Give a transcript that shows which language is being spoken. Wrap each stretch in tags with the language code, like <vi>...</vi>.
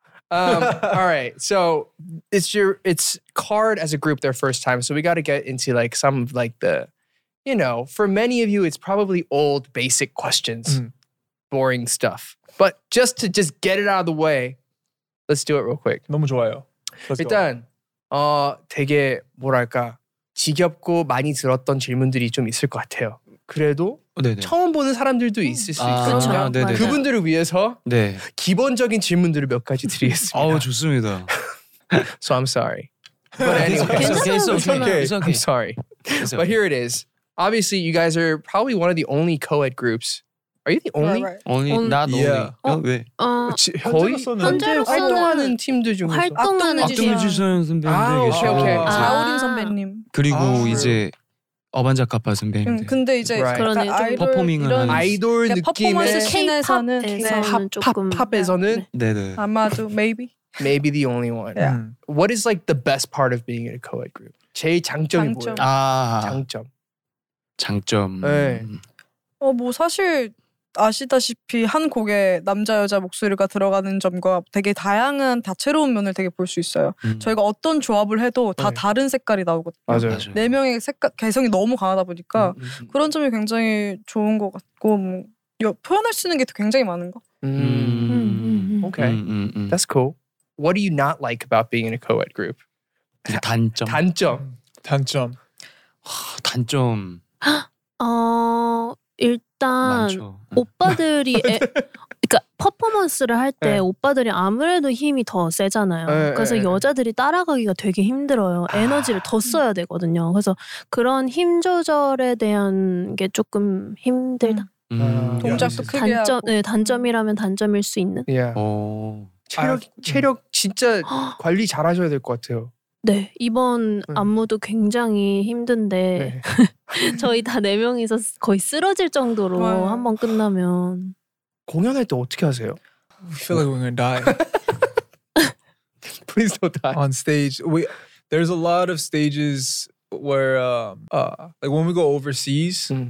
<en>all right, so it's Card as a group their first time, so we got to get into like some of like the, you know, for many of you it's probably old basic questions, boring stuff, but just to just get it out of the way, let's do it real quick.</en> <ko>너무 좋아요. 일단 되게 뭐랄까 지겹고 많이 들었던 질문들이 좀 있을 것 같아요. 그래도 네네. 처음 보는 사람들도 있을 수 있으니까 아, 그분들을 위해서 네. 기본적인 질문들을 몇 가지 드리겠습니다. 아우 좋습니다.</ko> <en>So I'm sorry. But anyway. It's okay. I'm sorry. But here it is. Obviously you guys are probably one of the only co-ed groups. Are you the only? Only? Not only. Yeah.</en> <ko>왜? 현재로서는 활동하는 팀들 중에서 선배님들 계시고 자우림 선배님 그리고 이제 어반자카파 선배님. 근데 이제</ko> <en>right.</en> <ko>그런 그러니까 아이돌 퍼포밍은 이런 아이돌 느낌의 퍼포먼스 씬에서는 조금 팝에서는 네네. 아마도</ko> <en>maybe the only one. Yeah. What is like the best part of being in a co-ed group?</en> <ko>제일 장점이 뭐예요? 아. 장점. 장점. 네. 뭐 사실 아시다시피 한 곡에 남자 여자 목소리가 들어가는 점과 되게 다양한 다채로운 면을 되게 볼 수 있어요. 저희가 어떤 조합을 해도 다 네. 다른 색깔이 나오거든요. 맞아요. 네 명의 색깔 개성이 너무 강하다 보니까 그런 점이 굉장히 좋은 것 같고 뭐 표현할 수 있는 게 굉장히 많은 거.</ko> <en>Okay, that's cool. What do you not like about being in a co-ed group?</en> <ko>단점. 단점. 단점. 단점. 일단 많죠. 오빠들이 그러니까 퍼포먼스를 할 때 오빠들이 아무래도 힘이 더 세잖아요. 그래서 여자들이 따라가기가 되게 힘들어요. 에너지를 더 써야 되거든요. 그래서 그런 힘 조절에 대한 게 조금 힘들다. 동작도 크게 단점, 하고. 네, 단점이라면 단점일 수 있는.</ko> <en>Yeah.</en> <ko>체력 진짜 관리 잘 하셔야 될 것 같아요. 네. 이번 안무도 굉장히 힘든데 네. 저희 다 네 명이서 거의 쓰러질 정도로 한번 끝나면 공연할 때 어떻게 하세요?</ko> <en>I feel like we're gonna die. Please don't die. On stage, there's a lot of stages where like when we go overseas.</en>